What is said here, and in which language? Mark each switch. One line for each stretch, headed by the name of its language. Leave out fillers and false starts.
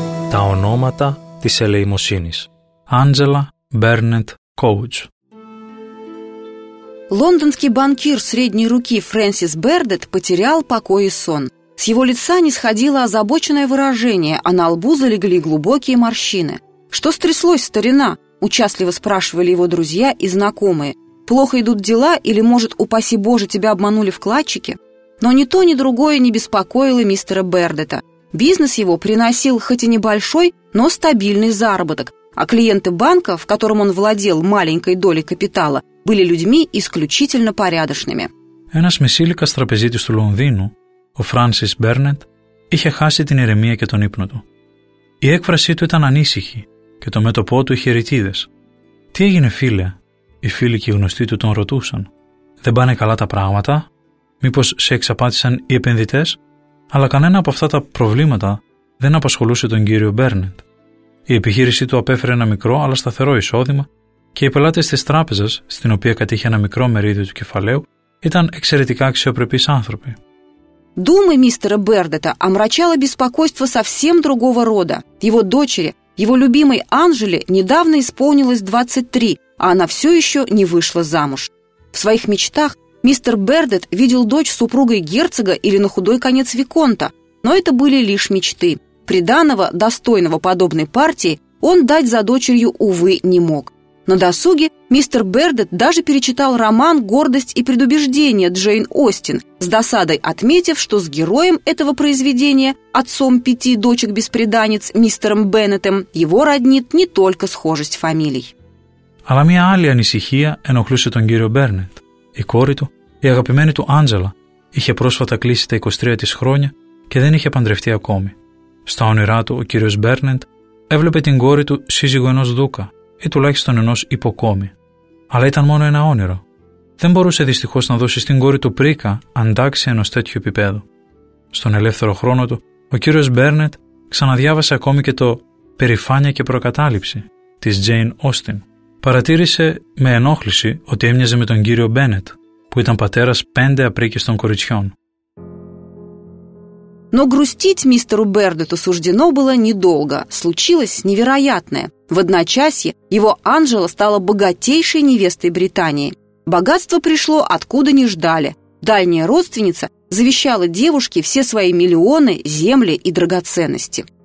Greek: Τα ονόματα της ελεημοσύνης. Άντζελα Μπέρνετ Κόουτζ.
Russian: Лондонский банкир средней руки Фрэнсис Бердетт потерял покой и сон. С его лица не сходило озабоченное выражение, а на лбу залегли глубокие морщины. «Что стряслось, старина?» – участливо спрашивали его друзья и знакомые. «Плохо идут дела или, может, упаси Боже, тебя обманули вкладчики?» Но ни то, ни другое не беспокоило мистера Бердетта. Бизнес его приносил хоть и небольшой, но стабильный заработок, а клиенты банка, в котором он владел маленькой долей капитала, были людьми исключительно порядочными.
Greek: Ένας μεσήλικας τραπεζίτης του Λονδίνου, ο Φράνσις Μπέρνετ, είχε χάσει την ηρεμία και τον ύπνο του. Η έκφρασή του ήταν ανήσυχη και το μέτωπό του είχε ρητίδες. «Τι έγινε, φίλε?» Οι φίλοι και οι γνωστοί του τον ρωτούσαν. «Δεν πάνε καλά τα πράγματα? Μήπως σε εξαπάτησαν οι επενδυτές?» Αλλά κανένα από αυτά τα προβλήματα δεν απασχολούσε τον κύριο Μπέρνετ. Η επιχείρησή του απέφερε ένα μικρό αλλά σταθερό εισόδημα και οι πελάτες της τράπεζας, στην οποία κατήχε ένα μικρό μερίδιο του κεφαλαίου, ήταν εξαιρετικά αξιοπρεπείς άνθρωποι.
Russian: Думы мистера Бердета омрачало беспокойство совсем другого рода. Его дочери, его любимой Анжеле, недавно исполнилось 23, а она все еще не вышла замуж. В своих мечтах мистер Бердет видел дочь супругой герцога или на худой конец виконта, но это были лишь мечты. Приданого, достойного подобной партии, он дать за дочерью, увы, не мог. На досуге мистер Бердет даже перечитал роман «Гордость и предубеждение» Джейн Остин, с досадой отметив, что с героем этого произведения, отцом пяти дочек-бесприданниц мистером Беннетом, его роднит не только схожесть фамилий.
Greek: Αλλά μια άλλη ανησυχία ενοχλούσε τον κύριο Μπέρνετ. Η κόρη του, η αγαπημένη του Άντζελα, είχε πρόσφατα κλείσει τα 23 της χρόνια και δεν είχε παντρευτεί ακόμη. Στα όνειρά του, ο κύριος Μπέρνετ έβλεπε την κόρη του σύζυγο ενός δούκα ή τουλάχιστον ενός υποκόμη. Αλλά ήταν μόνο ένα όνειρο. Δεν μπορούσε δυστυχώς να δώσει στην κόρη του πρίκα αντάξια ενός τέτοιου επιπέδου. Στον ελεύθερο χρόνο του, ο κύριος Μπέρνετ ξαναδιάβασε ακόμη και το «Περηφάνεια και προκατάληψη» της Τζέιν Όστιν. Παρατήρησε με ενόχληση ότι έμοιαζε με τον κύριο Μπέννετ, που ήταν πατέρας πέντε απρίκιστων κοριτσιών.
Russian: Но грустить мистеру Бердету суждено было недолго. Случилось невероятное. В одночасье его Анжела стала богатейшей невестой Британии. Богатство пришло откуда не ждали. Дальняя родственница завещала девушке все свои миллионы, земли и драгоценности.